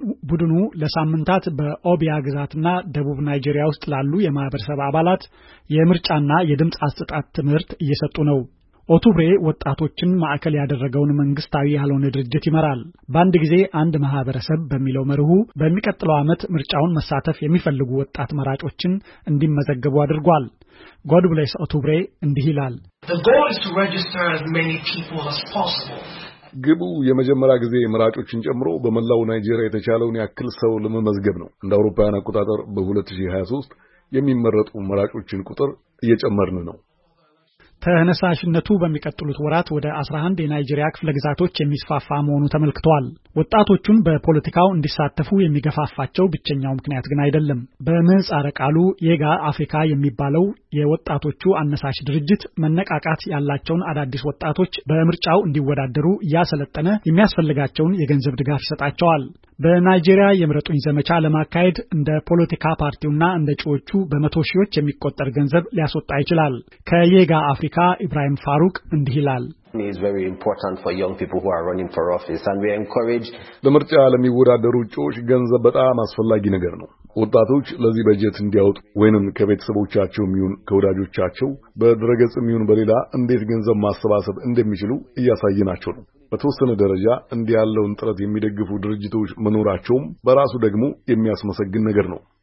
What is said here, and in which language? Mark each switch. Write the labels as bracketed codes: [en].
[am] ቡድኑ ለሳምንታት በኦቢያ ግዛትና ደቡብ ናይጄሪያ ውስጥ ላሉ የማህበረሰብ አባላት የምርጫና የድምጽ አስተጣጥ ትምህርት እየሰጡ ነው። ኦቱብሬ ወጣቶችን ማዕከል ያደረገውን መንግስታዊ ያልሆነ ድርጅት ይመራል። በአንድ ጊዜ አንድ ማህበረሰብ በሚለው መርሁ በሚቀጥለው ዓመት ምርጫውን መሳተፍ የሚፈልጉ ወጣት መራጮችን እንዲመዘገቡ አድርጓል። ጎድ ብሌስ አትብሬ እንዲህ ይላል። [en] The goal is to register as many people as possible. [am] ግቡ የመጀመሪያ ጊዜ ምራጮችን ጨምሮ በመላው ናይጄሪያ የተቻለውን ያክል ሰው ለመመዝገብ ነው። እንደ አውሮፓውያን አቆጣጠር በ2023 የሚመረጡ ምራጮችን ቁጥር እየጨመረ ነው። ተነሳሽነቱ በሚቀጥሉት ወራት ወደ 11 የናይጄሪያ ክፍለ ግዛቶች የሚስፋፋ መሆኑ ተመልክቷል። ወጣቶቹን በፖለቲካው እንዲሳተፉ የሚገፋፋቸው ብቸኛው ምክንያት ግን አይደለም። በምህጻረ ቃሉ የጋ አፍሪካ የሚባለው የወጣቶቹ አነሳሽ ድርጅት መነቃቃት ያላቸውን አዳዲስ ወጣቶች በምርጫው እንዲወዳደሩ ያሰለጠነ የሚያስፈልጋቸውን የገንዘብ ድጋፍ ይሰጣቸዋል። በናይጄሪያ የምረጡኝ ዘመቻ ለማካሄድ እንደ ፖለቲካ ፓርቲውና እንደ ጩዎቹ በመቶ ሺዎች የሚቆጠር ገንዘብ ሊያስወጣ ይችላል። ከየጋ አፍሪካ ኢብራሂም ፋሩክ እንዲህ ይላል። [en] It is very important for young people who are running for office and we encourage [am] ለምርጫ ለሚወዳደሩ ጩዎች ገንዘብ በጣም አስፈላጊ ነገር ነው። ወጣቶች ለዚህ በጀት እንዲያወጡ ወይንም ከቤተሰቦቻቸው የሚሆን ከወዳጆቻቸው በድረገጽም ይሁን በሌላ እንዴት ገንዘብ ማሰባሰብ እንደሚችሉ እያሳየናቸው ነው። በተወሰነ ደረጃ እንዲያለውን ጥረት የሚደግፉ ድርጅቶች መኖራቸውም በራሱ ደግሞ የሚያስመሰግን ነገር ነው።